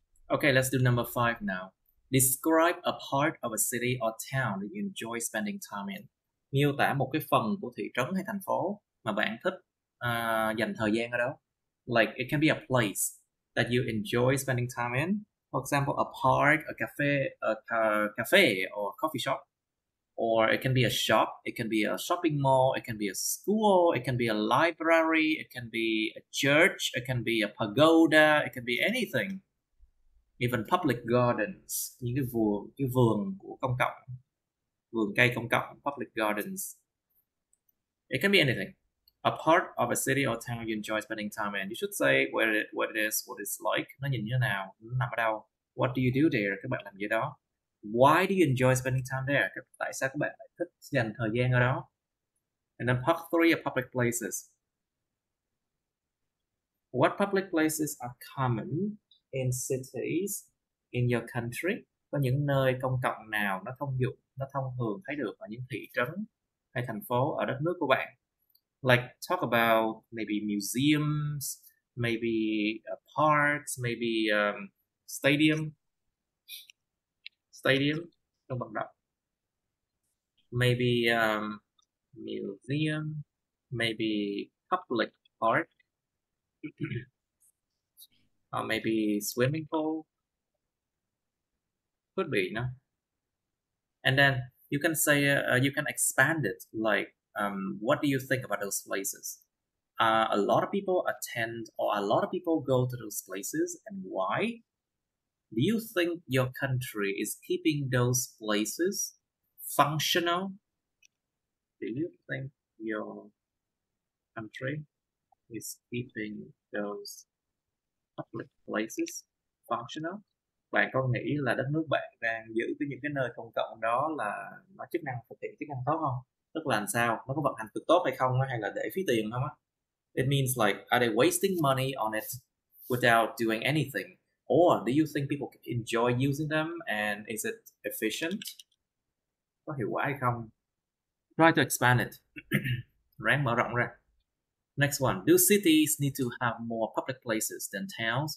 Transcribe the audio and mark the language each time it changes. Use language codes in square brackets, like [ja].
[en] Okay, let's do number 5 now. Describe a part of a city or town that you enjoy spending time in. [vi] Miêu tả một cái phần của thị trấn hay thành phố mà bạn thích dành thời gian ở đó. [en] Like, it can be a place that you enjoy spending time in. For example, a park, a cafe, or a coffee shop. Or it can be a shop, it can be a shopping mall, it can be a school, it can be a library, it can be a church, it can be a pagoda, it can be anything. Even public gardens, [vi] những cái vườn của công cộng, [en] vườn cây công cộng, public gardens. It can be anything. A part of a city or town you enjoy spending time in. You should say what it is, what it's like, [vi] nó nhìn như thế nào, nó nằm ở đâu. [en] What do you do there? [vi] Các bạn làm gì đó. [en] Why do you enjoy spending time there? [vi] Tại sao các bạn lại thích dành thời gian ở đó? [en] And then part three are public places. What public places are common in cities in your country? [vi] Có những nơi công cộng nào nó thông dụng, nó thông thường thấy được ở những thị trấn hay thành phố ở đất nước của bạn? [en] Like talk about maybe museums, maybe parks, maybe stadium. Stadium, [vi] trong bằng đọc. [en] Maybe museum, maybe public park, or maybe swimming pool. Could be, no? And then you can say, you can expand it. Like, what do you think about those places? A lot of people attend or a lot of people go to those places and why? Do you think your country is keeping those places functional? Do you think your country is keeping those public places functional? [vi] Bạn có nghĩ là đất nước bạn đang giữ cái những cái nơi công cộng đó là nó chức năng thực hiện chức năng tốt không? Tức là làm sao? Nó có vận hành được tốt hay không? Hay là để phí tiền không á? [en] It means like, are they wasting money on it without doing anything? Or do you think people enjoy using them and is it efficient? [vi] Có hiệu quả hay không? [en] Try to expand it. [vi] Ráng mở rộng ra. [en] Next one. Do cities need to have more public places than towns?